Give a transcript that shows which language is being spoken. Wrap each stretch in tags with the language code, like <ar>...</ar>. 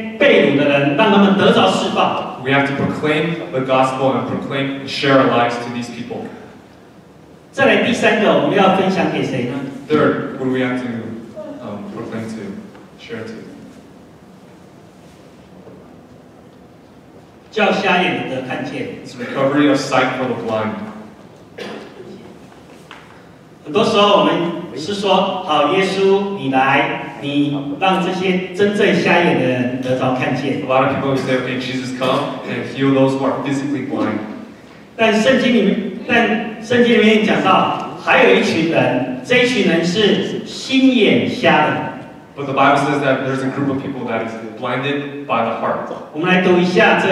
<zh>求主帮助我们，我们要分享这个生命给这些被掳的人，让他们得着释放。</zh> <en>We have to proclaim the gospel and proclaim and share our lives to these people.</en> <zh>再来第三个，我们要分享给谁呢？</zh> <en>Third, what do we have to proclaim to, share to?</en> <zh>叫瞎眼的看见。</zh> <en>It's recovery of sight for the blind.</en> <zh>很多时候我们是说，好，耶稣，你来，你让这些真正瞎眼的人得着看见。A</zh> <en>lot of people say, "Okay, Jesus, come and heal those who are physically blind."</en> <zh>但圣经里面讲到，还有一群人，这一群人是心眼瞎的。</zh> <en>But the Bible says that there's a group of people that is blinded by the heart.</en>